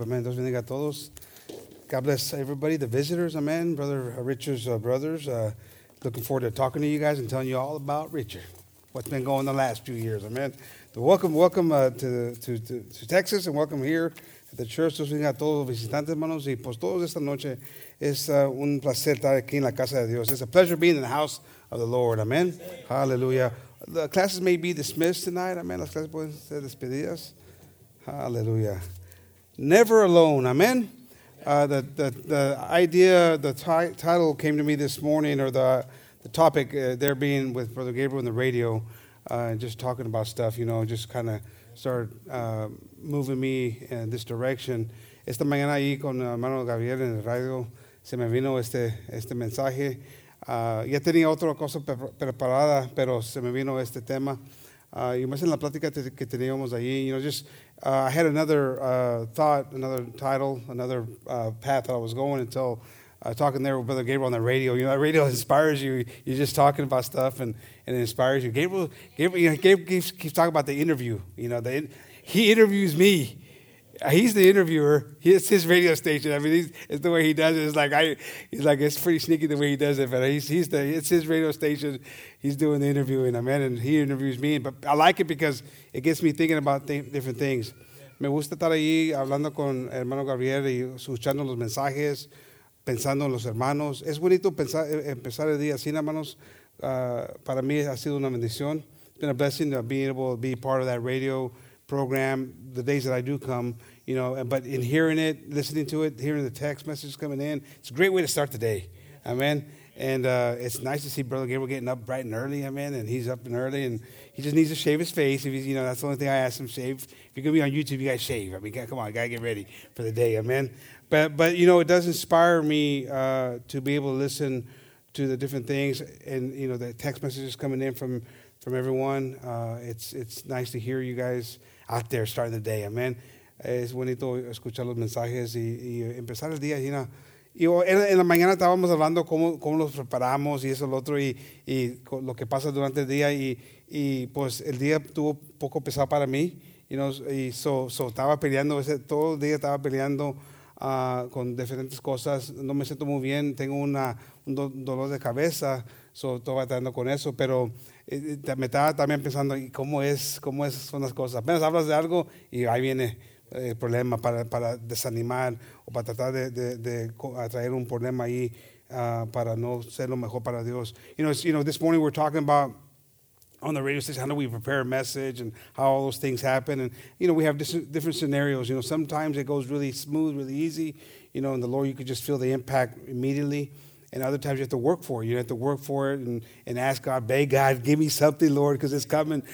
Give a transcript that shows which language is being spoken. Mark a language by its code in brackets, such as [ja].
[en] Amen. [es] Dios bendiga a todos. [en] God bless everybody, the visitors. Amen. Brother Richard's brothers. Looking forward to talking to you guys and telling you all about Richard, what's been going on the last few years. Amen. So welcome to Texas and welcome here at the church. [es] Dios bendiga a todos los visitantes, hermanos. Y pues todos esta noche es un placer estar aquí en la casa de Dios. [en] It's a pleasure being in the house of the Lord. Amen. Hallelujah. The classes may be dismissed tonight. Amen. [es] Las clases pueden ser despedidas. Hallelujah. [en] Never alone. [es] Amen. [en] The idea, the title came to me this morning, or the topic there being with Brother Gabriel on the radio, just talking about stuff, you know, just kind of started moving me in this direction. [es] Esta mañana ahí con hermano Gabriel en el radio, se me vino este mensaje. Ya tenía otra cosa preparada, pero se me vino este tema. [en] You mentioned [es] la plática que teníamos ahí, [en] you know, just I had another thought, another title, another path that I was going until talking there with Brother Gabriel on the radio. You know, that radio inspires you. You're just talking about stuff and it inspires you. Gabriel keeps talking about the interview. You know, he interviews me. He's the interviewer. It's his radio station. I mean, it's the way he does it. He's like, it's pretty sneaky the way he does it. But it's his radio station. He's doing the interviewing, amen. And he interviews me. But I like it because it gets me thinking about different things. [es] Me gusta estar ahí hablando con hermano Gabriel y escuchando los mensajes, pensando en los hermanos. Es bonito empezar el día así, hermanos. Para mí ha sido una bendición. [en] It's been a blessing to be able to be part of that radio program the days that I do come, you know, but in hearing it, listening to it, hearing the text messages coming in, it's a great way to start the day, amen. And it's nice to see Brother Gabriel getting up bright and early, amen, and he's up and early, and he just needs to shave his face. If he's, you know, that's the only thing I ask him, shave. If you're going to be on YouTube, you got to shave. I mean, come on, got to get ready for the day, amen. But you know, it does inspire me to be able to listen to the different things and, you know, the text messages coming in from everyone. It's nice to hear you guys out there starting the day, amen. [es] Es bonito escuchar los mensajes y empezar el día, [en] you know. [es] Y en la mañana estábamos hablando cómo los preparamos y eso, lo otro, y lo que pasa durante el día. Y pues el día tuvo poco pesado para mí, [en] you know, [es] y so estaba peleando, todo el día estaba peleando con diferentes cosas. No me siento muy bien, tengo un dolor de cabeza, so estoy batallando con eso. Pero me estaba también pensando, ¿y cómo son las cosas? Apenas hablas de algo y ahí viene el problema para desanimar o para tratar de atraer un problema ahí para no ser lo mejor para Dios. [en] You know, this morning we're talking about on the radio station, how do we prepare a message and how all those things happen. And, you know, we have different scenarios. You know, sometimes it goes really smooth, really easy. You know, in the Lord, you could just feel the impact immediately. And other times you have to work for it. You have to work for it and ask God, beg God, give me something, Lord, because it's coming.